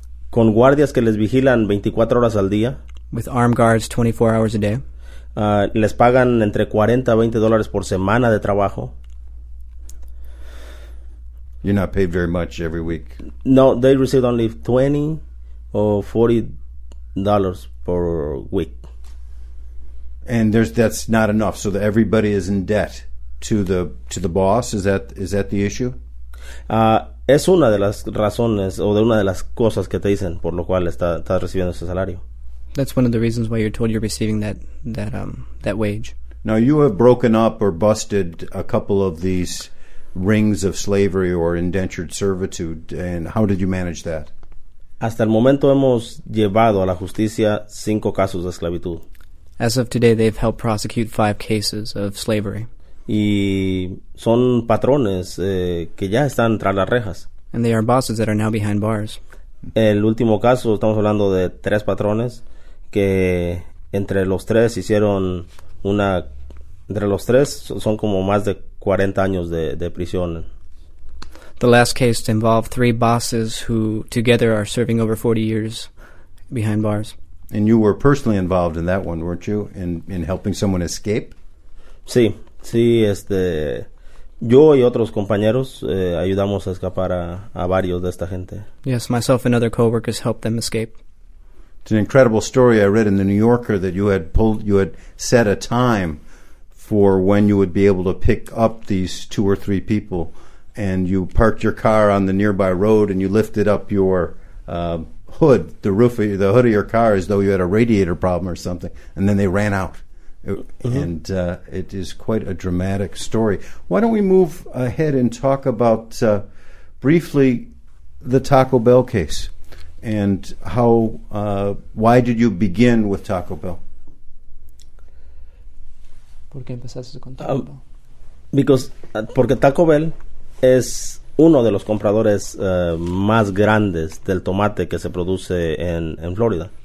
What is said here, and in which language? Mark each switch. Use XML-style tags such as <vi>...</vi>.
<es>Con guardias que les vigilan 24 horas al día.</es> <en>With armed guards 24 hours a day.</en> <es>Les pagan entre 40 a 20 dólares por semana de trabajo.</es> <en>You're not paid very much every week. No, they receive only 20 or 40 dollars per week. And that's not enough. So that everybody is in debt to the boss. Is that the issue?</en> <es>Es una de las razones o de una de las cosas que te dicen por lo cual estás recibiendo ese salario.</es> <en>That's one of the reasons why you're told you're receiving that wage. Now you have broken up or busted a couple of these rings of slavery or indentured servitude, and how did you manage that?</en> <es>Hasta el momento hemos llevado a la justicia 5 casos de esclavitud.</es> <en>As of today, they've helped prosecute 5 cases of slavery.</en> <es>Y son patrones que ya están tras las rejas.</es> <en>And they are bosses that are now behind bars.</en> <es>El último caso, estamos hablando de 3 patrones que entre los 3 hicieron una... Entre los 3 son como más de 40 años de prisión.</es> <en>The last case involved 3 bosses who together are serving over 40 years behind bars. And you were personally involved in that one, weren't you? In helping someone escape?</en> <es>Sí. Sí, yo y otros compañeros ayudamos a escapar a varios de esta gente.</es> <en>Yes, myself and other coworkers helped them escape. It's an incredible story I read in The New Yorker that you had set a time for when you would be able to pick up these 2 or 3 people, and you parked your car on the nearby road and you lifted up your hood, the hood of your car, as though you had a radiator problem or something, and then they ran out. Mm-hmm. And it is quite a dramatic story. Why don't we move ahead and talk about briefly the Taco Bell case and how? Why did you begin with Taco Bell?</en> <es>¿Por qué empezaste con Taco Bell? Porque Taco Bell es uno de los compradores más grandes del tomate que se produce en Florida.</es>